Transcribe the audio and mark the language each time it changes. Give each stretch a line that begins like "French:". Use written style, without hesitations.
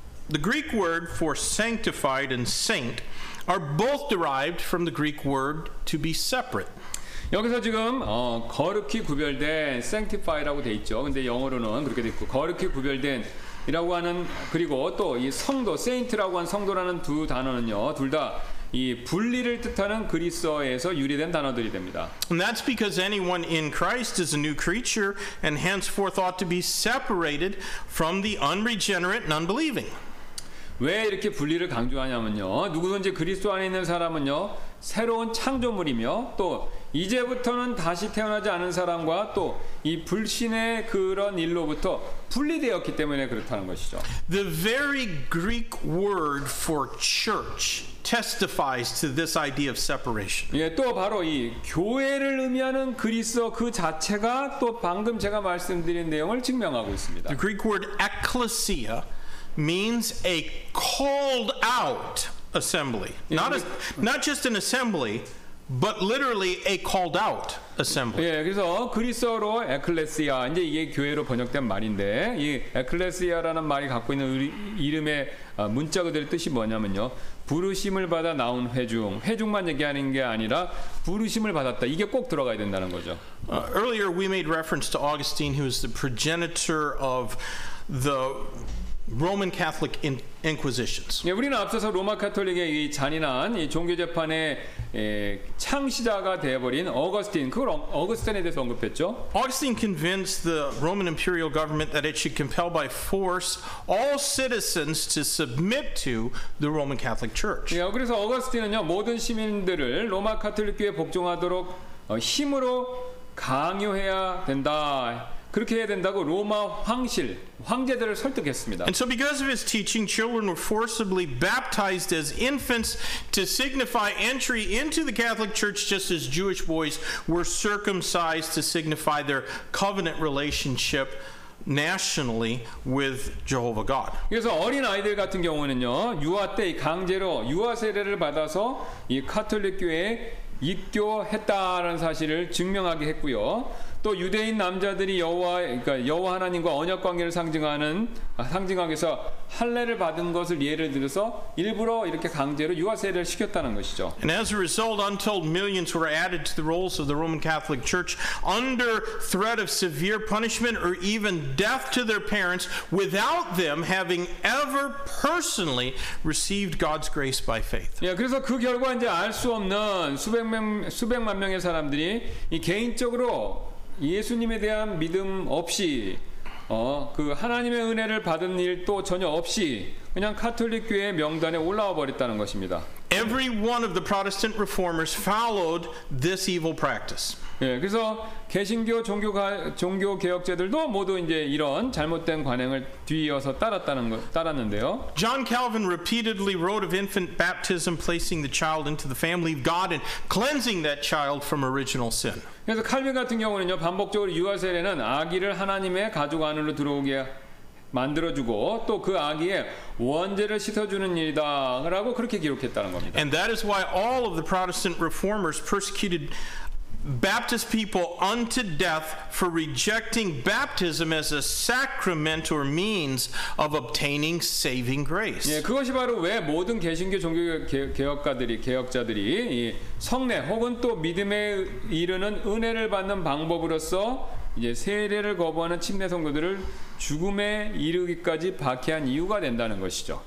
English: The Greek word for sanctified and saint are both derived from the Greek word to be separate.
Korean: 여기서 지금 거룩히 구별된 sanctified라고 돼 있죠. 근데 영어로는 그렇게 돼 있고 거룩히 구별된 이라고 하는 그리고 또 이 성도 세인트라고 한 성도라는 두 단어는요 둘 다 이 분리를 뜻하는 그리스어에서 유래된 단어들이 됩니다.
English: And that's because anyone in Christ is a new creature and henceforth ought to be separated from the unregenerate and unbelieving.
Korean: 왜 이렇게 분리를 강조하냐면요 누구든지 그리스도 안에 있는 사람은요 새로운 창조물이며 또 이제부터는 다시 태어나지 않은 사람과 또 이 불신의 그런 일로부터 분리되었기 때문에 그렇다는 것이죠.
English: The very Greek word for church, testifies to this idea of separation.
Korean: 예, 또 바로 이 교회를 의미하는 그리스어 그 자체가 또 방금 제가 말씀드린 내용을 증명하고 있습니다.
English: The Greek word ekklesia means a called out assembly. Not just an assembly, but literally a called out assembly.
Korean: 예, 그래서 그리스어로 ekklesia 이제 이게 교회로 번역된 말인데 이 ekklesia라는 말이 갖고 있는 이름의 문자 그대로 뜻이 뭐냐면요. 부르심을 받아 나온 회중, 회중만 얘기하는 게 아니라 부르심을 받았다. 이게 꼭 들어가야 된다는 거죠.
English: Earlier we made reference to Augustine who is the progenitor of the Roman Catholic Inquisitions.
Korean: 예, 우리는 앞서서 로마 가톨릭의 잔인한 이 종교 재판의 창시자가 되어버린 어거스틴, 그걸 어거스틴에 대해서 언급했죠.
English: Augustine convinced the Roman imperial government that it should compel by force all citizens to submit to the Roman Catholic Church.
Korean: 예, 그래서 어거스틴은요 모든 시민들을 로마 가톨릭에 복종하도록 힘으로 강요해야 된다. 그렇게 해야 된다고 로마 황실 황제들을 설득했습니다.
English: And so because of his teaching, children were forcibly baptized as infants to signify entry into the Catholic Church, just as Jewish boys were circumcised to signify their covenant relationship nationally with Jehovah God.
Korean: 그래서 어린 아이들 같은 경우는요 유아 때 강제로 유아 세례를 받아서 이 가톨릭 교회에 입교했다라는 사실을 증명하게 했고요. 또 유대인 남자들이 여호와 그러니까 여호와 하나님과 언약 관계를 상징하는 상징하기에서 할례를 받은 것을 예를 들어서 일부러 이렇게 강제로 유아 세례를 시켰다는 것이죠.
English: And as a result, untold millions were added to the rolls of the Roman Catholic Church under threat of severe punishment or even death to their parents without them having ever personally received God's grace by faith.
Korean: 예, 그래서 그 결과 이제 알 수 없는 수백만 명의 사람들이 이 개인적으로 예수님에 대한 믿음 없이 그 하나님의 은혜를 받은 일도 전혀 없이 그냥 가톨릭 교회 명단에 올라와 버렸다는 것입니다.
English: Every one of the Protestant reformers followed this evil practice.
Korean: 예, 그래서 개신교 종교 개혁자들도 모두 이제 이런 잘못된 관행을 뒤이어서 따랐는데요.
English: John Calvin repeatedly wrote of infant baptism placing the child into the family of God and cleansing that child from original sin.
Korean: 그래서 칼빈 같은 경우는요, 반복적으로 유아 세례는 아기를 하나님의 가족 안으로 들어오게 만들어주고 또 그 아기의 원죄를 씻어주는 일이다 라고 그렇게 기록했다는 겁니다.
English: And that is why all of the Protestant reformers persecuted Baptist people unto death for rejecting baptism as a sacrament or means of obtaining saving grace.
Korean: 예, 그것이 바로 왜 모든 개신교 종교 개혁자들이 이 성례 혹은 또 믿음에 이르는 은혜를 받는 방법으로서 이제 세례를 거부하는 침례 성도들을 죽음에 이르기까지 박해한 이유가 된다는 것이죠.